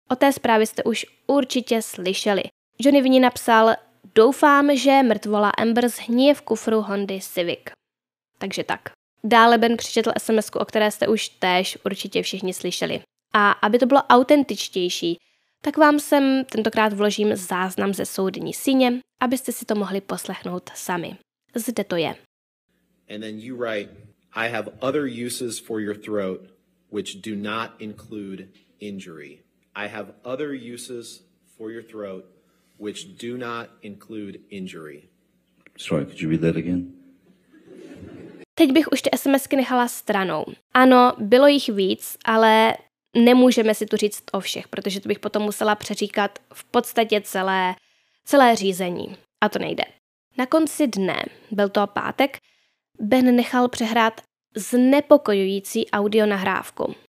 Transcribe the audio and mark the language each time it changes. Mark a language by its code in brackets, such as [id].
[cs] O té zprávě jste už určitě slyšeli. Johnny v ní napsal: Doufám, že mrtvola Amber zhnije v kufru Hondy Civic. Takže tak. Dále Ben přečetl SMSku, o které jste už též určitě všichni slyšeli. A aby to bylo autentičtější, tak vám sem tentokrát vložím záznam ze soudní síně, abyste si to mohli poslechnout sami. Zde to je. [en] And then you write, I have other uses for your throat, which do not include injury. I have other uses for your throat, which do not include injury. Sorry, could you read that again? [cs] Teď bych už ty SMSky nechala stranou. Ano, bylo jich víc, ale nemůžeme si tu říct o všech, protože to bych potom musela přeříkat v podstatě celé řízení. A to nejde. Na konci dne, byl to pátek, Ben nechal přehrát znepokojující audio nahrávku.